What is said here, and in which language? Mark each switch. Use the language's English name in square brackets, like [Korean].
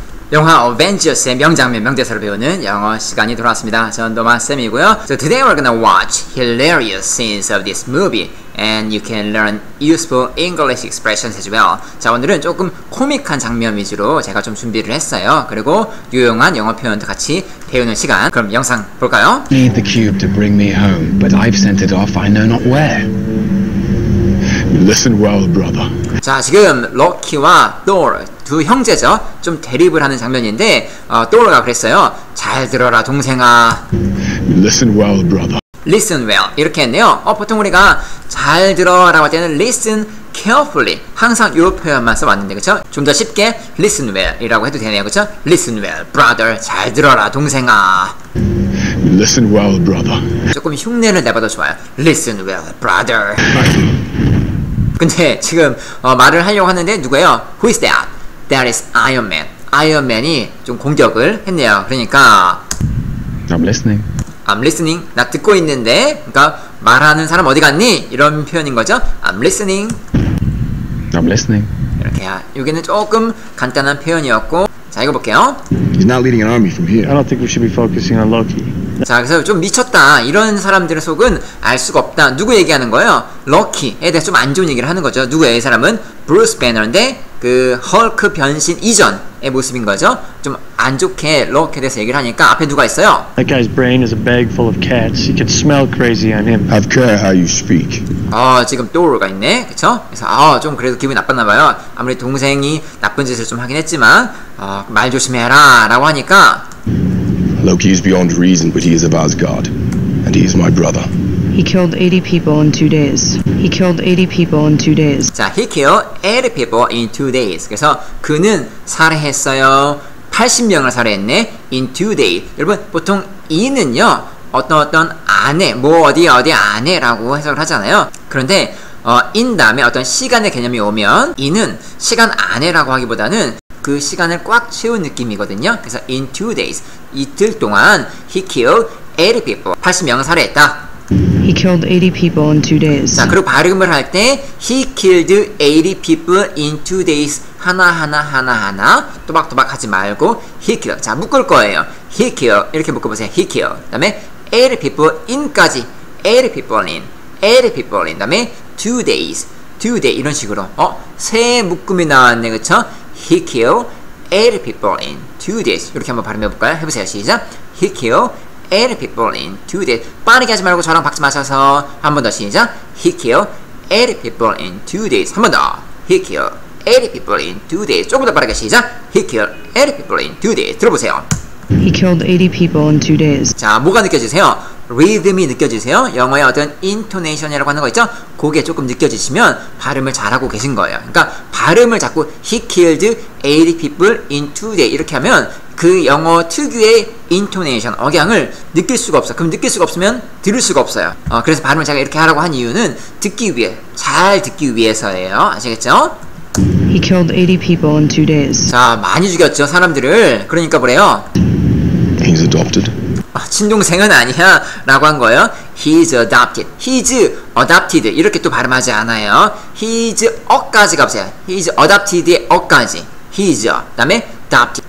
[Korean] 영화 어벤져스의 명장면, 명대사를 배우는 영어 시간이 돌아왔습니다. 저는 도마쌤이고요. [English] So today we're gonna watch hilarious scenes of this movie. And you can learn useful English expressions as well. [Korean] 자, 오늘은 조금 코믹한 장면 위주로 제가 좀 준비를 했어요. 그리고 유용한 영어 표현도 같이 배우는 시간. 그럼 영상 볼까요? [English] Need the cube to bring me home, but I've sent it off I know not where. Listen well, brother. [Korean] 자, 지금 럭키와 Thor 두 형제죠. 좀 대립을 하는 장면인데 Thor가 그랬어요. 잘 들어라, 동생아. [English] Listen well, brother. Listen well [Korean] 이렇게 했네요. 보통 우리가 잘 들어라고 할 때는 [English] listen carefully [Korean] 항상 이 표현만 써왔는데 그렇죠? 좀 더 쉽게 [English] listen well [Korean] 이라고 해도 되네요, 그렇죠? [English] Listen well, brother. [Korean] 잘 들어라, 동생아. [English] Listen well, brother. [Korean] 조금 흉내를 내봐도 좋아요. [English] Listen well, brother. [Korean] 근데 지금 말을 하려고 하는데 누구예요? [English] Who is that? That is Iron Man. [Korean] Iron Man이 좀 공격을 했네요. 그러니까 [English] I'm listening. I'm listening. [Korean] 나 듣고 있는데. 그러니까 말하는 사람 어디 갔니? 이런 표현인 거죠. [English] I'm listening. I'm listening. [Korean] 이렇게 여기는 조금 간단한 표현이었고. 자, 이거 볼게요. [English] He's not leading an army from here. I don't think we should be focusing on Loki. [Korean] 자, 그래서 좀 미쳤다. 이런 사람들의 속은 알 수가 없다. 누구 얘기하는 거예요? 럭키에 대해서 좀 안 좋은 얘기를 하는 거죠. 누구예요, 이 사람은? 브루스 배너인데 그 헐크 변신 이전의 모습인 거죠. 좀 안 좋게 럭키에 대해서 얘기를 하니까 앞에 누가 있어요? [English] That guy's brain is a bag full of cats. He could smell crazy on him. I've care how you speak. [Korean] 지금 도르가 있네. 그렇죠? 그래서 좀 그래도 기분 나빴나 봐요. 아무리 동생이 나쁜 짓을 좀 하긴 했지만 말 조심해라라고 하니까 [English] Loki is beyond reason, but he is of Asgard, and he is my brother. He killed 80 people in 2 days. He killed 80 people in 2 days. 자, he killed 80 people in 2 days. [Korean] 그래서 그는 살해했어요. 80명을 살해했네. [English] In 2 days. [Korean] 여러분, 보통 in은요, 어떤 안에, 뭐 어디 안에 라고 해석을 하잖아요. 그런데 in 다음에 어떤 시간의 개념이 오면 in은 시간 안에 라고 하기보다는 그 시간을 꽉 채운 느낌이거든요. [English] 그래서 in 2 days. [Korean] 이틀 동안 [English] he killed 80 people. [Korean] 80명을 살해했다. [English] He killed 80 people in 2 days. 자, [Korean] 그리고 발음을 할 때 [English] he killed 80 people in 2 days. [Korean] 하나하나 또박또박 하지 말고 [English] he killed. [Korean] 자, 묶을 거예요. [English] he killed [Korean] 이렇게 묶어 보세요. [English] he killed. [Korean] 그다음에 [English] 80 people in까지 80 people in. 80 people in. [Korean] 그다음에 [English] 2 days. 2 day [Korean] 이런 식으로. 세 묶음이 나왔네. 그렇죠? [English] He killed 80 people in 2 days. [Korean] 이렇게 한번 발음해 볼까요? 해보세요. 시작. [English] He killed 80 people in 2 days. [Korean] 빠르게 하지 말고 저랑 박수 맞춰서 한 번 더 시작. [English] He killed 80 people in 2 days. [Korean] 한 번 더. [English] He killed 80 people in 2 days. [Korean] 조금 더 빠르게 시작. [English] He killed 80 people in 2 days. [Korean] 들어보세요. [English] He killed 80 people in 2 days. [Korean] 자, 뭐가 느껴지세요? 리듬이 느껴지세요? 영어의 어떤 인토네이션이라고 하는 거 있죠? 그게 조금 느껴지시면 발음을 잘하고 계신 거예요. 그러니까 발음을 자꾸 [English] He killed 80 people in 2 days [Korean] 이렇게 하면 그 영어 특유의 인토네이션, 억양을 느낄 수가 없어. 그럼 느낄 수가 없으면 들을 수가 없어요. 그래서 발음을 제가 이렇게 하라고 한 이유는 듣기 위해, 잘 듣기 위해서예요. 아시겠죠? [English] He killed 80 people in 2 days. [Korean] 자, 많이 죽였죠, 사람들을. 그러니까 뭐래요? [English] He's adopted. [Korean] 친동생은 아니야 라고 한 거예요. [English] He's adopted. He's adopted. [Korean] 이렇게 또 발음하지 않아요. He's 어까지 가보세요. [English] He's adopted [Korean] 의 어까지. He's 그 다음에 adopted.